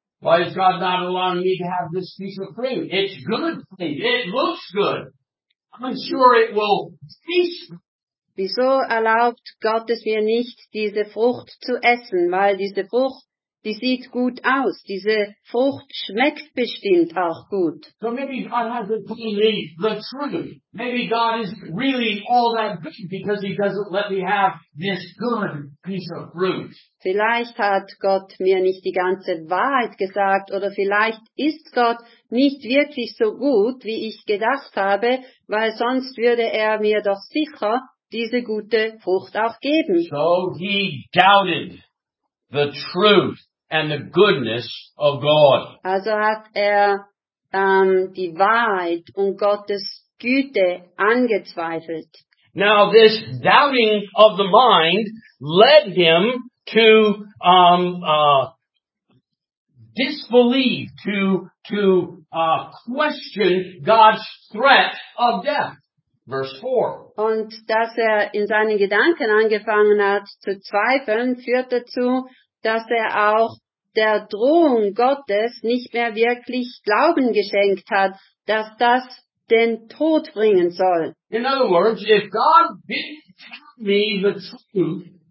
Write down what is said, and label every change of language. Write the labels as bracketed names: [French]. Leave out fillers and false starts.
[English] Why is God not allowing me to have this piece of fruit? It's good for me. It looks good. I'm sure it will feast. [German] Wieso erlaubt Gott es mir nicht, diese Frucht zu essen? Weil diese Frucht, die sieht gut aus. Diese Frucht schmeckt bestimmt auch gut. [English] So maybe God hasn't told me the truth. Maybe God is really all that good because he doesn't let me have this good piece of fruit. [German] Vielleicht hat Gott mir nicht die ganze Wahrheit gesagt oder vielleicht ist Gott nicht wirklich so gut, wie ich gedacht habe, weil sonst würde er mir doch sicher diese gute Frucht auch geben. [English] So he doubted the truth and the goodness of God. [German] Also hat er die Wahrheit und Gottes Güte angezweifelt. [English] Now this doubting of the mind led him to disbelieve, question God's threat of death. Verse 4. [German] Und dass er in seinen Gedanken angefangen hat zu zweifeln, führt dazu, dass er auch der Drohung Gottes nicht mehr wirklich Glauben geschenkt hat, dass das den Tod bringen soll. [English] In other words, if God didn't tell me the truth,